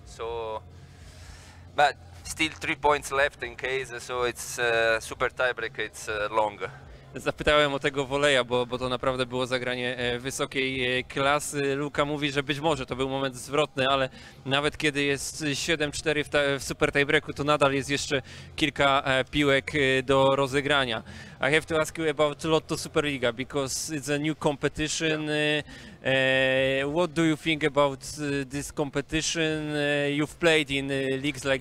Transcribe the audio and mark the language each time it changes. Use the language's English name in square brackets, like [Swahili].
[English] So, but still 3 points left in case. So it's super tiebreak. It's long. [Polish] Zapytałem o tego voleya, bo to naprawdę było zagranie wysokiej klasy. Luka mówi, że być może to był moment zwrotny, ale nawet kiedy jest 7-4 w super tiebreaku, to nadal jest jeszcze kilka piłek do rozegrania. [English] I have to ask you about Lotto Superliga, because it's a new competition. Yeah. What do you think about this competition? You've played in leagues like,